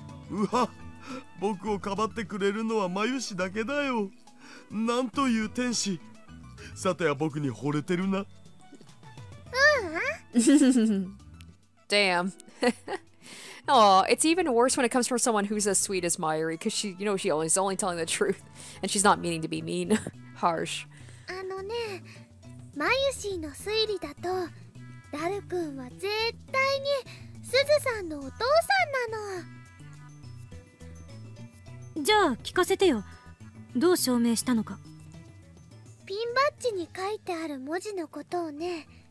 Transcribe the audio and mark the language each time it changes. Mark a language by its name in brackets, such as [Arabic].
[Japanese] うわ、僕をかばってくれるのはマユシだけだよ。なんという天使。さては僕に惚れてるな。 [English] Damn. Oh, it's even worse when it comes from someone who's as sweet as Mayuri, because she, you know, she is only telling the truth, and she's not meaning to be mean, harsh. [Japanese] あのね、マユシの推理だと、ダル君は絶対にスズさんのお父さんなの。じゃあ聞かせてよ。どう証明したのか。ピンバッジに書いてある文字のことをね。